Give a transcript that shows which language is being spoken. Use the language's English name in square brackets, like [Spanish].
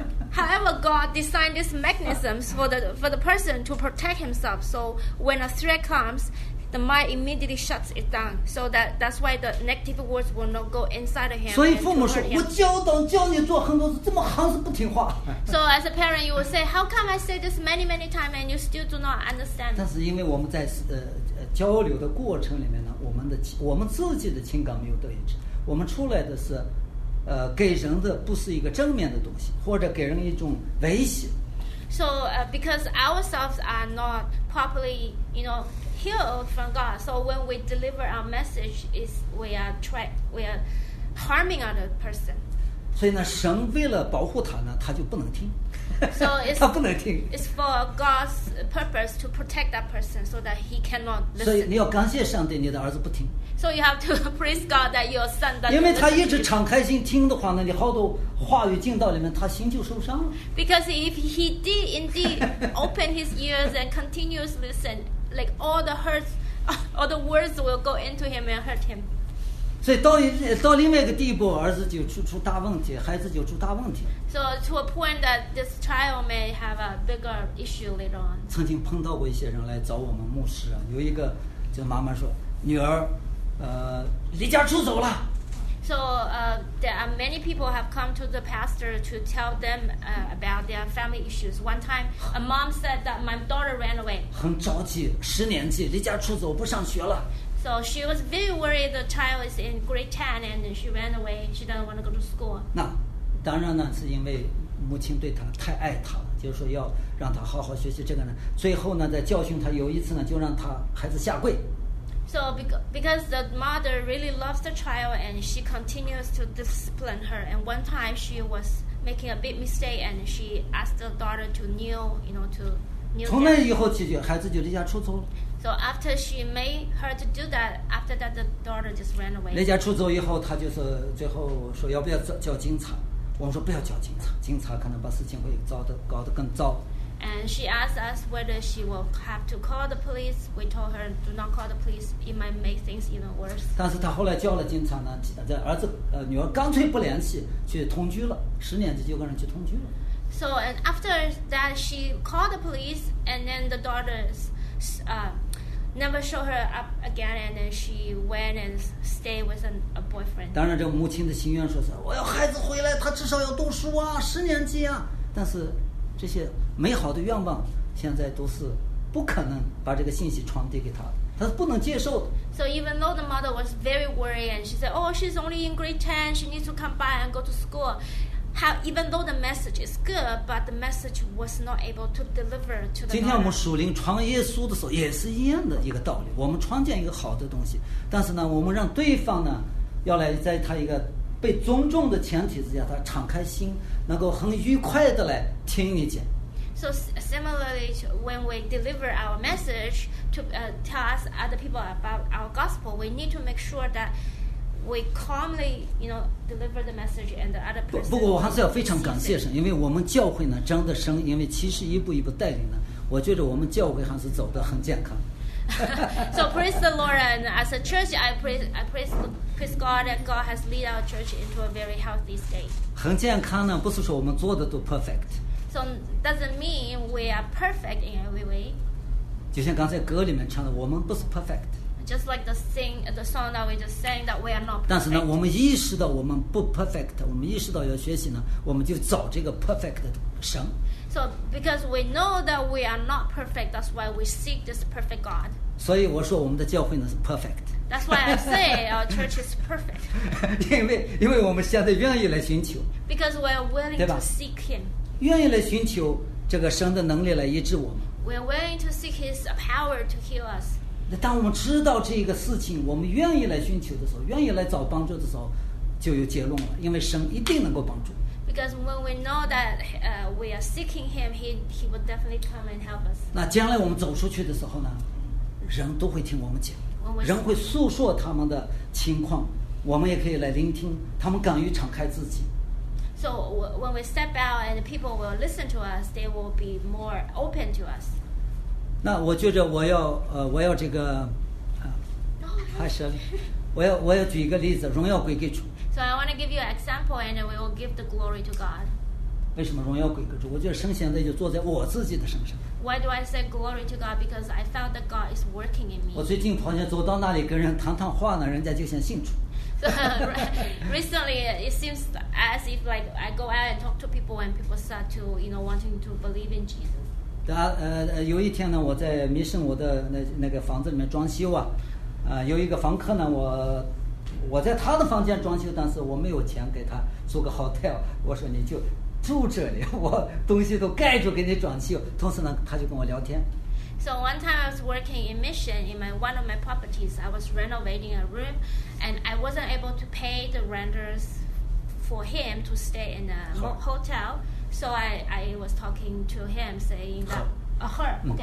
[English] However, God designed these mechanisms for the person to protect himself. So when a threat comes, the mind immediately shuts it down. So that's why the negative words will not go inside of him. [Chinese] 所以父母说，我教你做很多事，怎么还是不听话？ [English] So as a parent, you will say, how come I say this many many times and you still do not understand? [Chinese] 但是因为我们在交流的过程里面呢，我们自己的情感没有得一致，我们出来的是，给人的不是一个正面的东西，或者给人一种威胁。 [English] So, because ourselves are not properly, you know, healed from God, so when we deliver our message, we are harming other person. [Chinese] 所以呢，神为了保护他呢，他就不能听。 [English] So [Chinese] 他不能听。 [English] It's for God's purpose to protect that person so that he cannot listen. [Chinese] 所以你要感谢上帝，你的儿子不听。 [English] So you have to praise God that your son doesn't. [Chinese] 因为他一直敞开心听的话呢，你好多话语进到里面，他心就受伤了。 [English] Because if he did indeed open his ears and continues listen, like all the hurts, all the words will go into him and hurt him. [Chinese] 所以到另外一个地步，儿子就出大问题，孩子就出大问题。 [English] So to a point that this child may have a bigger issue later on. [Chinese] 曾经碰到过一些人来找我们牧师啊，有一个就妈妈说，女儿。离家出走了。 [English] So there are many people have come to the pastor to tell them about their family issues. One time, a mom said that my daughter ran away. [Chinese] 很着急，十年级离家出走，不上学了。 [English] So she was very worried. The child is in grade 10 and she ran away. She doesn't want to go to school. [Chinese] 那当然呢，是因为母亲对她太爱她了，就是说要让她好好学习。这个呢，最后呢，在教训她有一次呢，就让她孩子下跪。 [English] So because the mother really loves the child and she continues to discipline her, and one time she was making a big mistake and she asked the daughter to kneel, you know, to kneel. [Chinese] 从那以后起去，孩子就离家出走了。 [English] So after she made her to do that, after that the daughter just ran away. [Chinese] 离家出走以后，她就是最后说要不要叫警察？我们说不要叫警察，警察可能把事情会搞得更糟。 [English] And she asked us whether she will have to call the police. We told her, do not call the police. It might make things even worse. [Chinese] 但是她后来叫了警察呢，这儿子女儿干脆不联系，去同居了，十年就跟人去同居了。 [English] So and after that, she called the police, and then the daughters, never showed her up again, and then she went and stayed with a boyfriend. [Chinese] 当然，这母亲的心愿说是我要孩子回来，他至少要读书啊，十年级啊。但是，这些美好的愿望现在都是不可能把这个信息传递给他，他是不能接受的。 [English] So even though the mother was very worried, and she said, "Oh, she's only in grade 10. She needs to come by and go to school." How, even though the message is good, but the message was not able to deliver to the. [Chinese] 今天我们属灵传耶稣的时候，也是一样的一个道理。我们传讲一个好的东西，但是呢，我们让对方呢，要来在他一个被尊重的前提之下，他敞开心，能够很愉快的来听你讲。 [English] So similarly, when we deliver our message to tell us other people about our gospel, we need to make sure that. We calmly, you know, deliver the message and the other person. [Chinese] 不过我还是要非常感谢神，因为我们教会呢，真的神，因为其实一步一步带领呢，我觉得我们教会还是走得很健康。 [English] So praise the Lord, and as a church, I praise God, and God has led our church into a very healthy state. [Chinese] 很健康呢，不是说我们做的都 perfect. [English] So doesn't mean we are perfect in every way. [Chinese] 就像刚才歌里面唱的，我们不是 perfect. [English] Just like the song that we just sang, that we are not perfect. [Chinese] 但是呢，我们意识到我们不 perfect， 我们意识到要学习呢，我们就找这个 perfect 的神。 [English] So because we know that we are not perfect, that's why we seek this perfect God. [Chinese] 所以我说我们的教会呢是 perfect. [English] That's why I say our church is perfect. [Chinese] 因为我们现在愿意来寻求。 [English] Because we are willing to seek Him. [Chinese] 愿意来寻求这个神的能力来医治我们。 [English] We are willing to seek His power to heal us. [Chinese] 当我们知道这个事情，我们愿意来寻求的时候，愿意来找帮助的时候，就有结论了。因为神一定能够帮助。 [English] Because when we know that we are seeking Him, He will definitely come and help us. [Chinese] 那将来我们走出去的时候呢，人都会听我们讲，人会诉说他们的情况，我们也可以来聆听，他们敢于敞开自己。 [English] So when we step out and people will listen to us, they will be more open to us. [Chinese] 那我觉着我要这个还是我要举一个例子，荣耀归给主。 [English] So I want to give you an example, and we will give the glory to God. [Chinese] 为什么荣耀归给主？我觉得神现在就坐在我自己的身上。 [English] Why do I say glory to God? Because I felt that God is working in me. [Chinese] 我最近好像走到那里跟人谈谈话呢，人家就先信主。 [English] So recently, it seems as if like I go out and talk to people, and people start to you know wanting to believe in Jesus. [Chinese] 有一天呢，我在迷圣我的那个房子里面装修啊，有一个房客呢，我在他的房间装修，但是我没有钱给他租个 hotel， 我说你就住这里，我东西都盖住给你装修。同时呢，他就跟我聊天。 [English] So one time I was working in mission in one of my properties, I was renovating a room, and I wasn't able to pay the renters for him to stay in a hotel. So I was talking to him, saying that her.